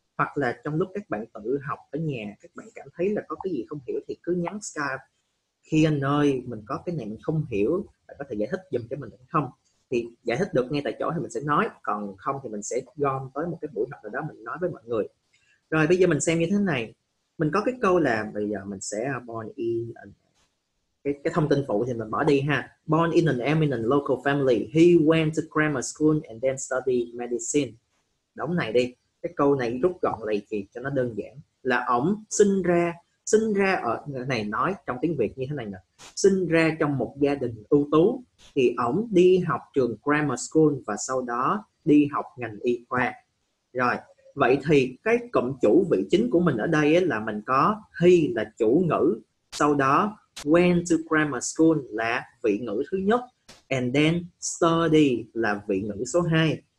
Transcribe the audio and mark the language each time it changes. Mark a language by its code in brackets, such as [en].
[vi] Hoặc là trong lúc các bạn tự học ở nhà, các bạn cảm thấy là có cái gì không hiểu thì cứ nhắn Skype, khi anh ơi mình có cái này mình không hiểu, bạn có thể giải thích giùm cho mình được không. Thì giải thích được ngay tại chỗ thì mình sẽ nói, còn không thì mình sẽ gom tới một cái buổi học nào đó mình nói với mọi người. Rồi bây giờ mình xem như thế này, mình có cái câu là bây giờ mình sẽ born in, cái thông tin phụ thì mình bỏ đi ha. [en] Born in an eminent local family, he went to grammar school and then studied medicine. [vi] Đóng này đi. Cái câu này rút gọn lại thì cho nó đơn giản là ổng sinh ra ở này, nói trong tiếng Việt như thế này nè: sinh ra trong một gia đình ưu tú thì ổng đi học trường grammar school và sau đó đi học ngành y khoa. Rồi vậy thì cái cụm chủ vị chính của mình ở đây ấy là mình có he là chủ ngữ, sau đó [en] went to grammar school [vi] là vị ngữ thứ nhất, [en] and then study [vi] là vị ngữ số 2.